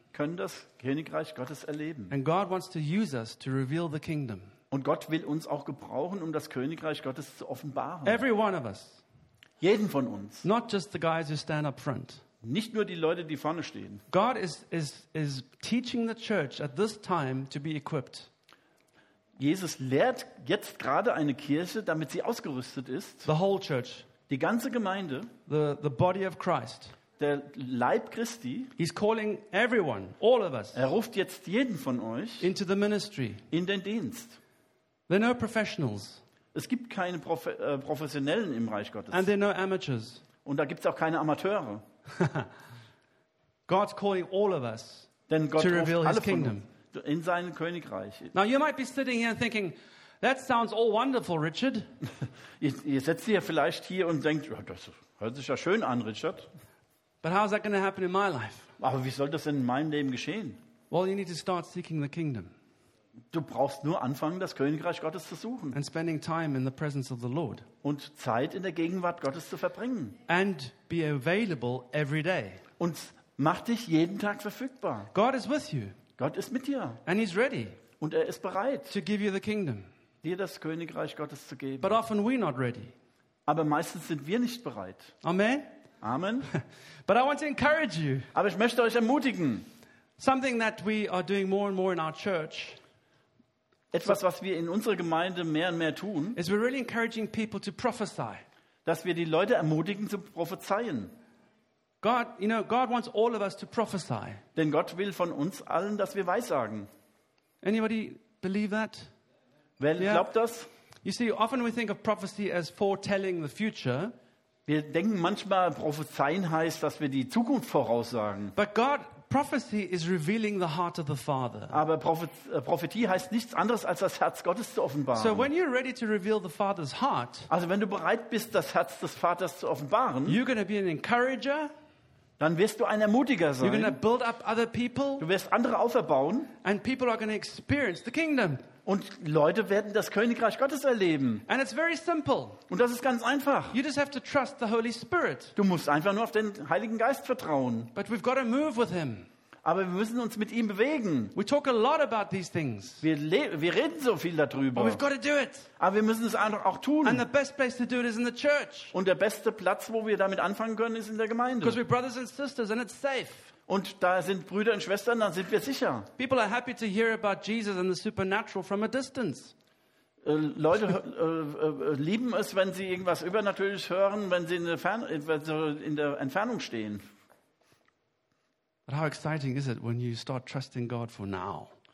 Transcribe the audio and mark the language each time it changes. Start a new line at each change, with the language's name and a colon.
German: können das Königreich Gottes erleben.
English: And God wants to use us to reveal the kingdom.
German: Und Gott will uns auch gebrauchen, um das Königreich Gottes zu offenbaren.
English: Every one of us.
German: Jeden von uns.
English: Not just the guys who stand up front.
German: Nicht nur die Leute, die vorne stehen.
English: God is teaching the church at this time to be equipped.
German: Jesus lehrt jetzt gerade eine Kirche, damit sie ausgerüstet ist.
English: The whole church.
German: Die ganze Gemeinde.
English: The body of Christ.
German: Der Leib Christi.
English: He's calling everyone, all of us.
German: Er ruft jetzt jeden von euch
English: into the ministry.
German: In den Dienst.
English: There are no professionals.
German: Es gibt keine Professionellen im Reich Gottes.
English: And there are no amateurs.
German: Und da gibt's auch keine Amateure.
English: God's calling all of us
German: Denn Gott
English: to reveal
German: ruft alle
English: his kingdom.
German: Von uns in sein Königreich.
English: Now you might be sitting here thinking, that sounds all wonderful, Richard.
German: Ihr setzt ihr vielleicht hier und denkt, ja, das hört sich ja schön an, Richard.
English: But how is that going to happen in my life?
German: Aber wie soll das denn in meinem Leben geschehen?
English: Well, you need to start seeking the kingdom.
German: Du brauchst nur anfangen, das Königreich Gottes zu suchen.
English: And spending time in the presence of the Lord.
German: Und Zeit in der Gegenwart Gottes zu verbringen.
English: And be available every day.
German: Und mach dich jeden Tag verfügbar.
English: God is with you.
German: Gott ist mit dir.
English: And he's ready.
German: Und er ist bereit.
English: To give you the kingdom.
German: Dir das Königreich Gottes zu geben.
English: But often we're not ready.
German: Aber meistens sind wir nicht bereit.
English: Amen.
German: Amen.
English: But I want to encourage you.
German: Aber ich möchte euch ermutigen.
English: Something that we are doing more and more in our church.
German: Etwas, was wir in unserer Gemeinde mehr und mehr tun,
English: is we're really encouraging people to prophesy.
German: Dass wir die Leute ermutigen zu prophezeien.
English: God, you know, God wants all of us to prophesy.
German: Denn Gott will von uns allen, dass wir weissagen.
English: Anybody believe that?
German: Wer glaubt das?
English: You see, often we think of prophecy as foretelling the future.
German: Wir denken manchmal, prophezeien heißt, dass wir die Zukunft voraussagen.
English: But God Prophecy is revealing the heart of the Father.
German: Aber Prophetie heißt nichts anderes als das Herz Gottes zu offenbaren.
English: So when you're ready to reveal the Father's heart,
German: also wenn du bereit bist, das Herz des Vaters zu offenbaren,
English: you're going to be an encourager.
German: Dann wirst du ein Ermutiger sein.
English: You're going to build up other people.
German: Du wirst andere auferbauen.
English: And people are going to experience the kingdom.
German: Und Leute werden das Königreich Gottes erleben.
English: And it's very simple.
German: Und das ist ganz einfach.
English: You just have to trust the Holy Spirit.
German: Du musst einfach nur auf den Heiligen Geist vertrauen.
English: But we've got to move with him.
German: Aber wir müssen uns mit ihm bewegen.
English: We talk a lot about these things.
German: Wir reden so viel darüber.
English: But we've got to do it.
German: Aber wir müssen es einfach auch tun.
English: And the best place to do it is in the church.
German: Und der beste Platz, wo wir damit anfangen können, ist in der Gemeinde.
English: Because we're brothers and sisters and it's safe.
German: Und da sind Brüder und Schwestern, dann sind wir sicher.
English: People are happy to hear about Jesus and the supernatural from a distance.
German: Leute lieben es, wenn sie irgendwas Übernatürliches hören, wenn sie in der Entfernung stehen.
English: But how exciting is it when you start trusting God for now?